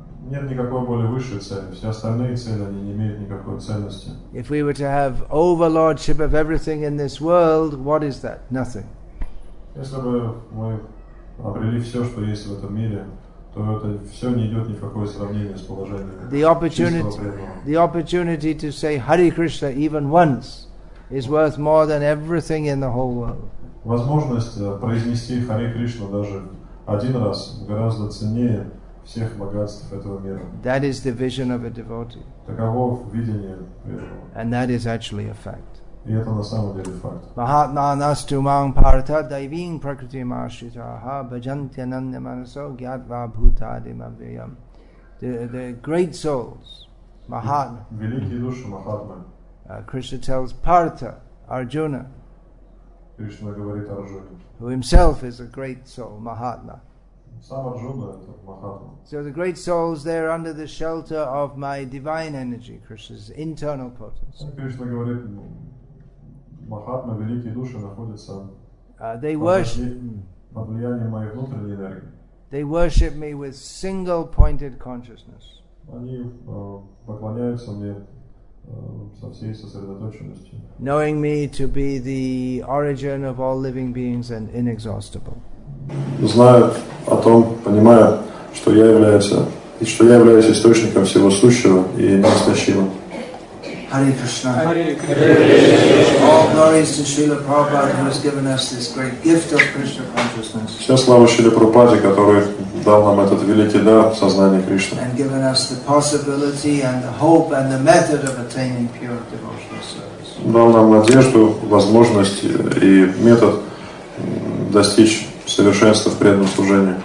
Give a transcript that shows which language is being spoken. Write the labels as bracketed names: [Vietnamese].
[Russian] нет никакой более высшей цели. Все остальные цели, они не имеют никакой ценности. [English] If we were to have overlordship of everything in this world, what is that? Nothing. [Russian] Если бы мы обрели все, что есть в этом мире, то это все не идет ни в какое сравнение с положением чистого преданного. [English] The opportunity to say Hare Krishna even once is worth more than everything in the whole world. [Russian] Возможность произнести Харе Кришна даже один раз гораздо ценнее всех богатств этого мира. [English] That is the vision of a devotee. [Russian] Таково видение преданного. [English] And that is actually a fact. [Russian] И это на самом деле факт. [Sanskrit] Mahatma nastu mam partha daivin prakriti mashitaha bhajantya nanya manaso gyatva bhutadima vyam. [English] The great souls, Mahatma. [Russian] Великие души, Mahatma. [English] Krishna tells Partha, Arjuna, [Russian] Krishna говорит Arjuna, [English] who himself is a great soul, Mahatma. [Russian] Сам Арджуна это Mahatma. [English] So the great souls, they are under the shelter of my divine energy, Krishna's internal potency. [Russian] Krishna говорит, Mahatma, великие души находятся под влиянием моей внутренней энергии. [English] They worship me with single-pointed consciousness. [Russian] Они поклоняются мне. Со всей сосредоточенностью. [English] Knowing me to be the origin of all living beings and inexhaustible. [Russian] Знают о том, понимая, что я являюсь, и что я являюсь источником всего сущего и неистощимым. [English] Hare Krishna. [Russian] Hare Krishna. [English] All glories to Srila Prabhupada, who has given us this great gift of Krishna consciousness. [Russian] Вся слава Шриле Прабхупаде, который дал нам этот великий дар сознания Кришны. [English] And given us the possibility and the hope and the method of attaining pure devotional service. [Russian] Дал нам надежду, возможность и метод достичь совершенства в преданном служении.